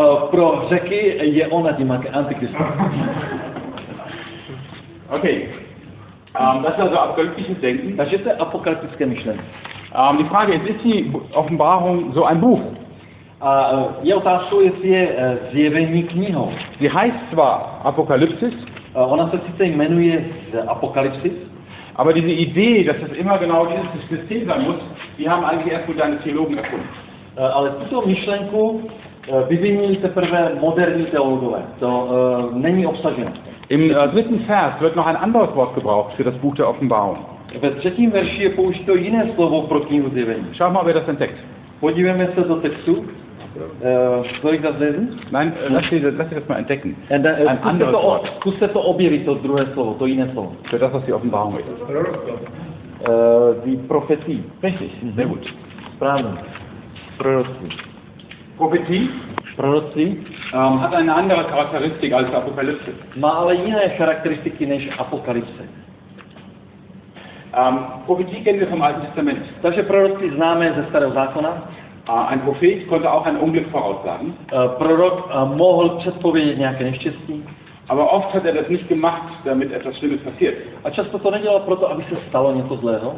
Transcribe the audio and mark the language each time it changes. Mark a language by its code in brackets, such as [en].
[cs] Pro Řeky je ona tím antikristem. [en] Okay. [de] Das ist also apokalyptisches Denken. Das ist apokalyptische myšlení. Die Frage ist, ist die Offenbarung so ein Buch? [cs] Je otázkou, jestli je zjevení knihou. [de] Die heißt zwar Apokalypsis. [cs] Ona se sice jmenuje Apokalypsis. [de] Aber diese Idee, dass es immer genau dieses System sein muss, die haben eigentlich erst moderne Theologen erfunden. [cs] Ale tuto myšlenku vyvinili teprve moderní teologové. To není obsaženo. [de] Im dritten Vers wird noch ein anderes Wort gebraucht für das Buch der Offenbarung. [cs] Ve třetím verši je použito jiné slovo pro knihu zjevení. [de] Schau mal, wer das entdeckt. [cs] Podívejme se do textu. [de] Soll ich das lesen? Nein, lass dich das mal entdecken. Ein anderes Wort. [cs] Zkuste to objevit, to druhé slovo, to jiné slovo. [de] Für das, was die Offenbarung ist. Die Prophetie. Richtig, sehr gut. [cs] Správně. Proroctví. [de] Prophetie? [cs] Proroctví. [de] Hat eine andere Charakteristik als Apokalypse. [cs] Má ale jiné charakteristiky než Apokalypse. [de] Prophetie kennen wir vom Alten Testament. [cs] Takže proroctví známe ze Starého zákona. [de] Ein Prophet konnte auch ein Unglück voraussagen. [cs] Prorok mohl předpovědět nějaké neštěstí. [de] Aber oft hat er das nicht gemacht, damit etwas Schlimmes passiert. [cs] A často to nedělal proto, aby se stalo něco zlého.